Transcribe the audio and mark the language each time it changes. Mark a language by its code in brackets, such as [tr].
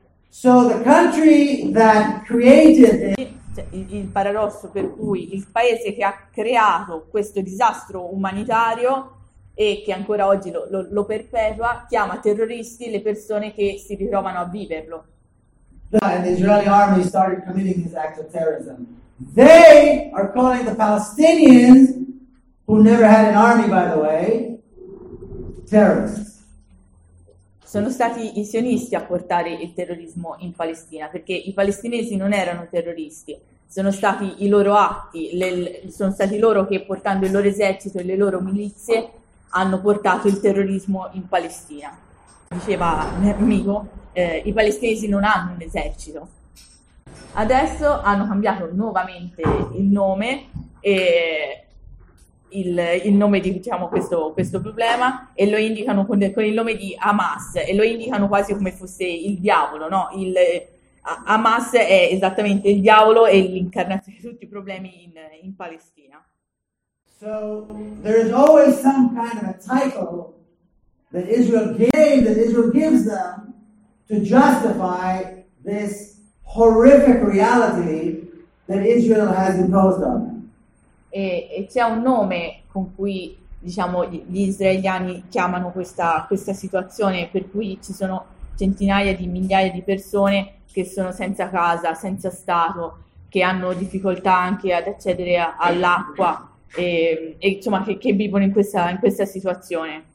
[en] So the country that created it... [it] Il paradosso per cui il paese che ha creato questo disastro umanitario e che ancora oggi lo perpetua chiama terroristi le persone che si ritrovano a viverlo. [en] The Israeli army started committing this act of terrorism. They are calling the Palestinians, who never had an army by the way, terrorists. [it] Sono stati i sionisti a portare il terrorismo in Palestina, perché i palestinesi non erano terroristi, sono stati i loro atti, sono stati loro che portando il loro esercito e le loro milizie hanno portato il terrorismo in Palestina. Diceva un amico, i palestinesi non hanno un esercito. Adesso hanno cambiato nuovamente il nome, e il nome di diciamo, questo problema, e lo indicano con il nome di Hamas, e lo indicano quasi come fosse il diavolo, no? Hamas è esattamente il diavolo e l'incarnazione di tutti i problemi in Palestina. [en] So there is always some kind of a title that Israel gave, that Israel gives them to justify this horrific reality that Israel has imposed on. [it] E c'è un nome con cui diciamo gli israeliani chiamano questa situazione, per cui ci sono centinaia di migliaia di persone che sono senza casa, senza stato, che hanno difficoltà anche ad accedere all'acqua e insomma che vivono in questa situazione.